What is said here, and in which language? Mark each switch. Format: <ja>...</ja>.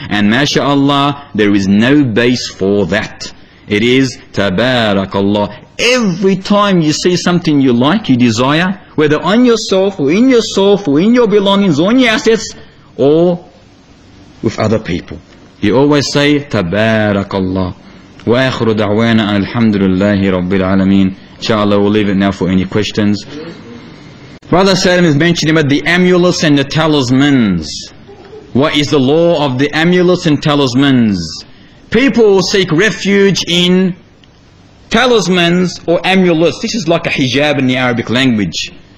<en>And mashaAllah, there is no base for that. It is tabarakallah. Every time you see something you like, you desire, whether on yourself or in yourself or in your belongings or in your assets or with other people, you always say tabarakallah.</en> <ar>وآخر دعوانا أن الحمد لله رب العالمين.</ar> <en>Inshallah, we'll leave it now for any questions. Brother Salim is mentioning about the amulets and the talismans. What is the law of the amulets and talismans? People seek refuge in Talismans or amulets, this is like a hijab in the Arabic language.</en>